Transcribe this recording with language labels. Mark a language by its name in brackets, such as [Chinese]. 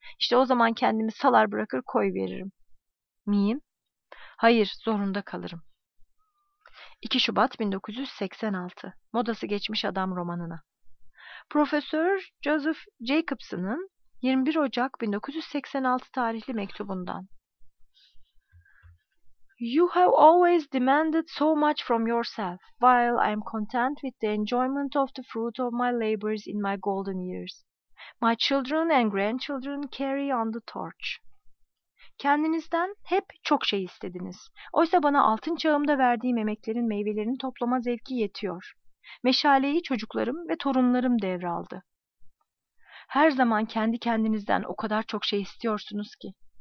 [Turkish] İşte o zaman kendimi salar bırakır koyveririm. Miyim? Hayır, zorunda kalırım. 2 Şubat 1986. Modası geçmiş adam romanına. Profesör Joseph Jacobson'ın 21 Ocak 1986 tarihli mektubundan. [English] You have always demanded so much from yourself, while I am content with the enjoyment of the fruit of my labors in my golden years. My children and grandchildren carry on the torch. [Turkish] Kendinizden hep çok şey istediniz. Oysa bana altın çağımda verdiğim emeklerin meyvelerini toplama zevki yetiyor. Meşaleyi çocuklarım ve torunlarım devraldı. Her zaman kendi kendinizden o kadar çok şey istiyorsunuz ki.